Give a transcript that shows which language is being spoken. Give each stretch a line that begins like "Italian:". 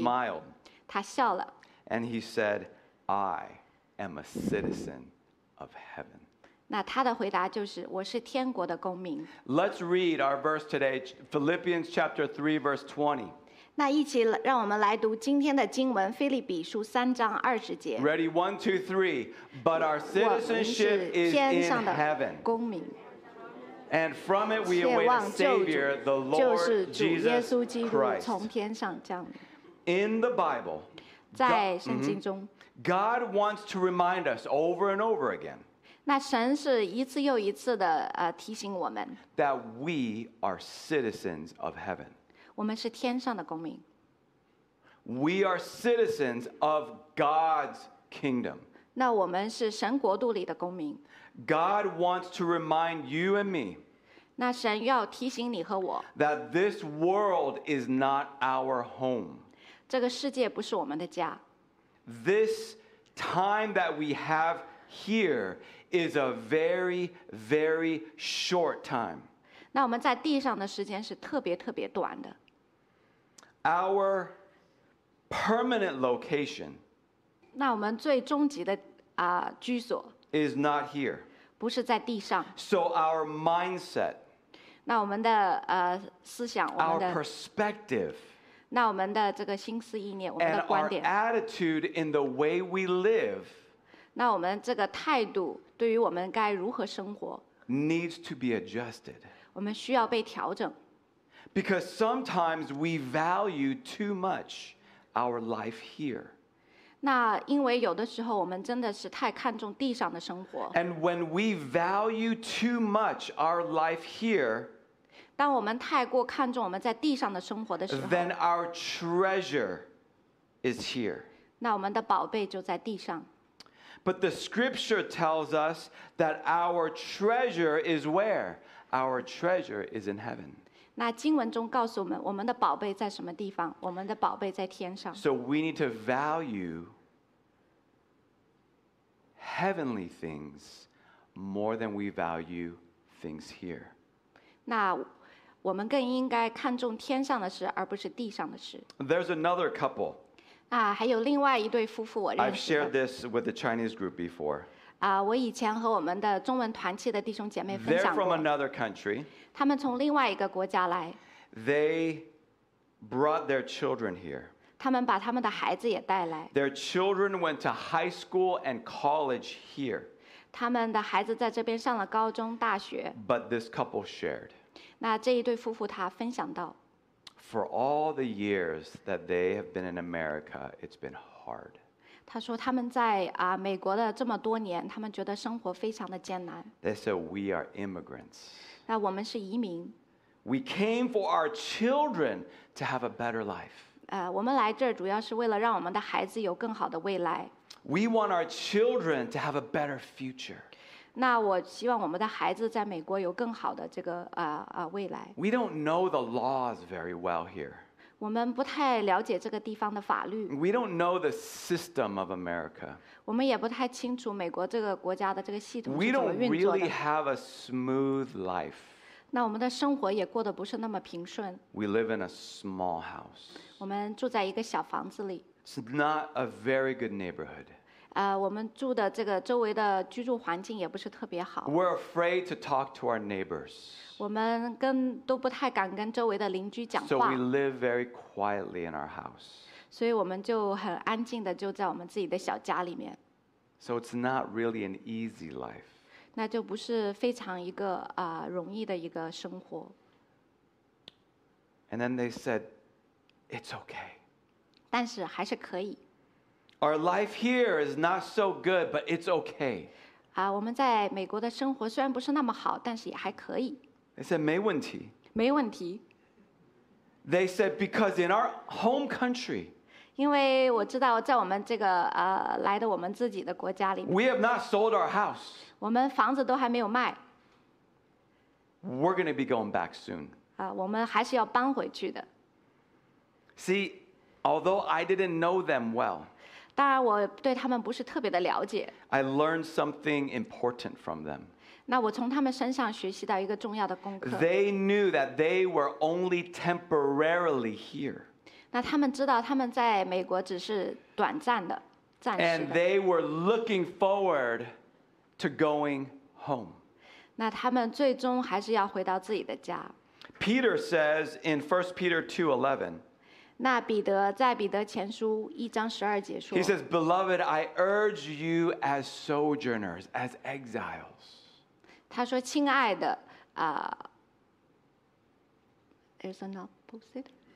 English: And he smiled.
Chinese: 他笑了。
English: And he said, "I am a citizen of heaven."
Chinese: 那他的回答就是，我是天国的公民。
English: Let's read our verse today, Philippians chapter 3, verse 20.
Chinese: 那一起让我们来读今天的经文，腓立比书三章二十节。
English: Ready, one, two, three. But our citizenship is in heaven.
Chinese: 公民。
English: And from it we await a Savior, the Lord Jesus Christ.
Chinese: 就是主耶稣基督从天上降临。
English: In the Bible,
Chinese: 在圣经中
English: God wants to remind us over and over again.
Chinese: 那神是一次又一次的提醒我们
English: that we are citizens of heaven.
Chinese: 我们是天上的公民。
English: We are citizens of God's kingdom.
Chinese: 那我们是神国度里的公民。
English: God wants to remind you and me.
Chinese: 那神要提醒你和我。
English: That this world is not our home.
Chinese: 这个世界不是我们的家。
English: This time that we have here is a very, very short time.
Chinese: 那我们在地上的时间是特别特别短的。
English: Our permanent location,
Chinese: 那我们最终极的居所
English: is not here.
Chinese: 不是在地上。
English: So our mindset,
Chinese: 那我们的思想，我们的
English: our perspective,
Chinese: 那我们的这个心思意念，我们的观点
English: and our attitude in the way we live,
Chinese: 那我们这个态度对于我们该如何生活
English: needs to be adjusted.
Chinese: 我们需要被调整。
English: Because sometimes we value too much our life here.
Chinese: 那因为有的时候我们真的是太看重地上的生活。
English: And when we value too much our life here,
Chinese: 当我们太过看重我们在地上的生活的时候，
English: then our treasure is here.
Chinese: 那我们的宝贝就在地上。
English: But the scripture tells us that our treasure is where? Our treasure is in heaven.
Chinese: 那经文中告诉我们，我们的宝贝在什么地方？我们的宝贝在天上。
English: So we need to value heavenly things more than we value things here.
Chinese: 那我们更应该看重天上的事，而不是地上的事。
English: There's another couple.
Chinese: 啊，还有另外一对夫妇，我认识。
English: I've shared this with the Chinese group before.
Chinese: 啊，我以前和我们的中文团契的弟兄姐妹分享过。
English: They're from another country.
Chinese: 他们从另外一个国家来。
English: They brought their children here.
Chinese: 他们把他们的孩子也带来。
English: Their children went to high school and college here.
Chinese: 他们的孩子在这边上了高中、大学。
English: But this couple shared.
Chinese: 那这一对夫妇他分享到
English: For all the years that they have been in America, it's been hard.
Chinese: 他说他们在美国的这么多年，他们觉得生活非常的艰难。
English: They said we are immigrants.
Chinese: 那我们是移民。
English: We came for our children to have a better life.
Chinese: 我们来这儿主要是为了让我们的孩子有更好的未来。
English: We want our children to have a better future.
Chinese: 那我希望我们的孩子在美国有更好的这个未来。
English: We don't know the laws very well here.
Chinese: 我们不太了解这个地方的法律。
English: We don't know the system of America.
Chinese: 我们也不太清楚美国这个国家的这个系统是怎么运作的。
English: We don't really have a smooth life.
Chinese: 那我们的生活也过得不是那么平顺。
English: We live in a small house.
Chinese: 我们住在一个小房子里。
English: It's not a very good neighborhood.
Chinese: 我们住的这个周围的居住环境也不是特别好。
English: We're afraid to talk to our neighbors.
Chinese: 我们都不太敢跟周围的邻居讲话。
English: So we live very quietly in our house.
Chinese: 所以我们就很安静的就在我们自己的小家里面。
English: So it's not really an easy life.
Chinese: 那就不是非常一个容易的一个生活。
English: And then they said, it's okay.
Chinese: 但是还是可以。
English: Our life here is not so good, but it's okay.
Chinese: 我们在美国的生活虽然不是那么好，但是也还可以。
English: They said,
Chinese: 没问题。没问题。
English: They said, because in our home country,
Chinese: 因为我知道在我们这个来的我们自己的国家里面
English: we have not sold our house.
Chinese: 我们房子都还没有卖。
English: We're going to be going back soon.
Chinese: 我们还是要搬回去的。
English: See, although I didn't know them well,
Chinese: 当然我对他们不是特别的了解。
English: I learned something important from them.
Chinese: 那我从他们身上学习到一个重要的功课。
English: They knew that they were only temporarily here.
Chinese: 那他们知道他们在美国只是短暂的，暂时的。
English: And they were looking forward to going home.
Chinese: 那他们最终还是要回到自己的家。
English: Peter says in 1 Peter 2:11,
Chinese: 那彼得在彼得前书一章十二节说
English: He says, Beloved, I urge you as sojourners, as exiles.
Chinese: 他说亲爱的
English: There's an opposite.